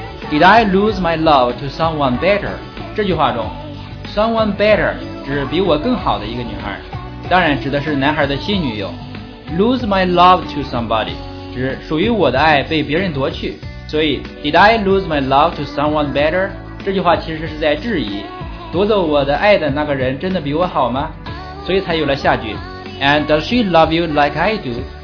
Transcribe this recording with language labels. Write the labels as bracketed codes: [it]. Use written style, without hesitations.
[en] Did I lose my love to someone better? [zh] 这句话中 ， [en] someone better [zh] 指比我更好的一个女孩，当然指的是男孩的新女友。 [en] Lose my love to somebody [zh] 指属于我的爱被别人夺去，所以 [en] Did I lose my love to someone better? [zh] 这句话其实是在质疑，夺走我的爱的那个人真的比我好吗？所以才有了下句 [en] ，And does she love you like I do?